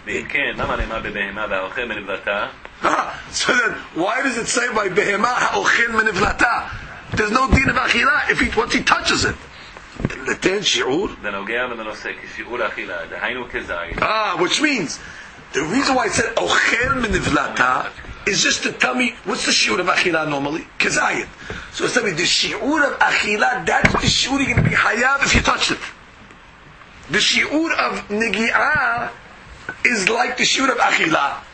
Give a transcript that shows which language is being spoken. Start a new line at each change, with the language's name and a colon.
Hebrew: ואם כן, למה נאמר בבהמה והאוכל מנבלתה?
English: So then, why does it say by
Hebrew: בהמה האוכל מנבלתה?
English: There's no דין of אכילה if he, once he touches it. לתן שיעור? בנוגע ובנושא, כשיעור אכילה, דהיינו כזית. Which means, the reason why it said
Hebrew: אוכל מנבלתה,
English: is just to tell me, what's the shiur of akhila normally? Kezayit. So it's telling me, the shiur of akhila, that's the shiur you're going to be hayav if you touched it. The shiur of negi'ah is like the shiur of akhila.